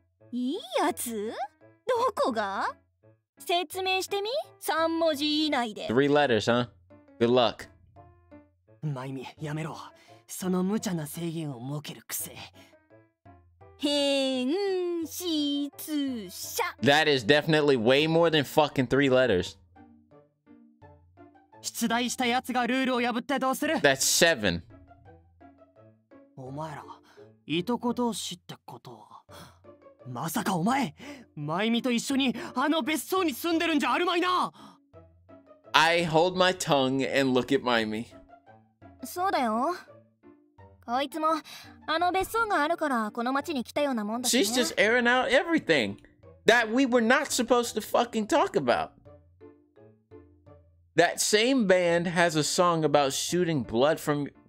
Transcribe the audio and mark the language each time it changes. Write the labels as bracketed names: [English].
[Japanese] いいやつ?どこが? 説明してみ三文字以内で [English] Three letters, huh? Good luck. [Japanese] マイミ、やめろ。その無茶な制限を設ける癖。変質者 [English] That is definitely way more than fucking three letters. [Japanese] 出題したやつがルールを破ってどうする [English] That's seven. [Japanese] お前ら、いとこ同士ってことはまさかお前、マイミと一緒にあの別荘に住んでるんじゃあるまいな [English] I hold my tongue and look at Mimi. [Japanese] そうだよ。こいつもあの別荘があるからこの町に来たようなもんだしね。 [English] She's just airing out everything that we were not supposed to fucking talk about. That same band has a song about shooting blood from...